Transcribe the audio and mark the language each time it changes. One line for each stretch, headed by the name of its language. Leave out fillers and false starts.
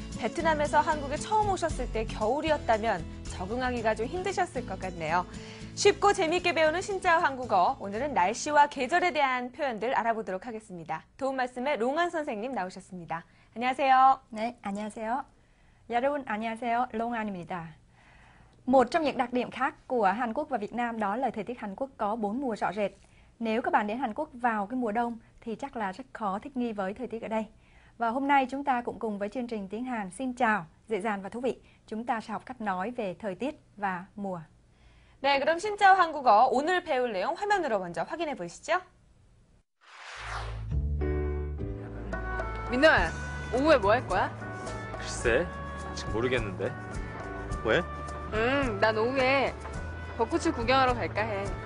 Korean: 베트남에서 한국에 처음 오셨을 때 겨울이었다면 적응하기가 좀 힘드셨을 것 같네요. 쉽고 재미있게 배우는 신짜오 한국어. 오늘은 날씨와 계절에 대한 표현들 알아보도록 하겠습니다. 도움 말씀에 롱한 선생님 나오셨습니다. 안녕하세요. 네, 안녕하세요. 여러분, 안녕하세요. 롱한입니다.
Vietnamese: Một trong những đặc điểm khác của Hàn Quốc và Việt Nam đó là thời tiết Hàn Quốc có bốn mùa rõ rệt. Nếu các bạn đến Hàn Quốc vào cái mùa đông thì chắc là rất khó thích nghi với thời tiết ở đây. Và hôm nay chúng ta cũng cùng với chương trình tiếng Hàn xin chào, dễ dàng và thú vị. Chúng ta sẽ học cách nói về thời tiết và mùa.
Korean: 네, 그럼 신짜오 한국어 오늘 배울 내용 화면으로 먼저 확인해 보시죠. 민호야, 오후에 뭐 할 거야? 글쎄, 아직 모르겠는데. 왜? 난 오후에 벚꽃을 구경하러 갈까 해.